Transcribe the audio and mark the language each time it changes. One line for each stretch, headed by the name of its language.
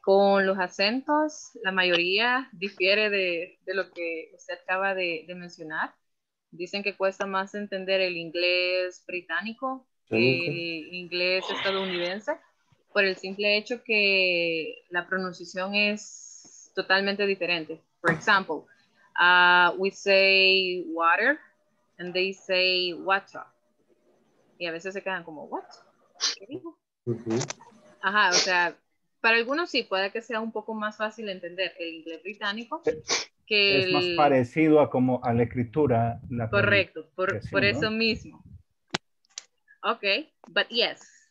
Spanish: Con los acentos, la mayoría difiere de lo que usted acaba de mencionar. Dicen que cuesta más entender el inglés británico que el inglés estadounidense, por el simple hecho que la pronunciación es totalmente diferente.
English: For example, we say water and they say water.
Spanish: Y a veces se quedan como,
English: what?
Spanish: ¿Qué dijo? Uh-huh. Ajá, o sea, para algunos sí, puede que sea un poco más fácil entender el inglés británico. Que es el... más parecido a como a la escritura. La correcto, por eso mismo.
English: Ok, but yes.